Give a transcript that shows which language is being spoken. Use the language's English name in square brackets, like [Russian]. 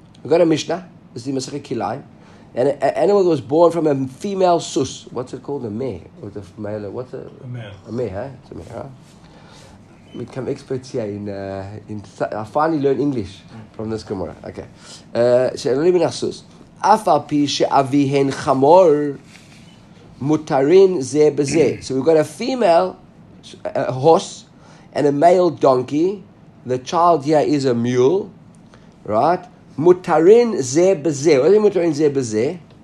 [English] We've got a Mishnah, this is the Masechet Kilai, and an animal that was born from a female sus. What's it called? A meh? Or the male? What's it? A meh. A meh, huh? It's a meh, huh? We become experts here in I finally learned English from this Gemara. Okay. So, I don't even have sus. [Hebrew] אף על פי שאביהן חמור, מותרין זה בזה. [English] So we've got a female a horse and a male donkey. The child here is a mule, right? [Hebrew] מותרין זה בזה. [English] What do you mean [Hebrew] מותרין זה בזה?